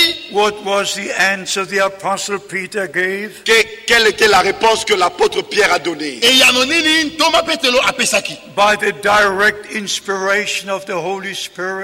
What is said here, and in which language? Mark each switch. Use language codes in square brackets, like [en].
[en] What was the answer the apostle Peter gave? [fr] Quelle était la réponse que l'apôtre Pierre a donnée? [en] By the direct inspiration of the Holy Spirit.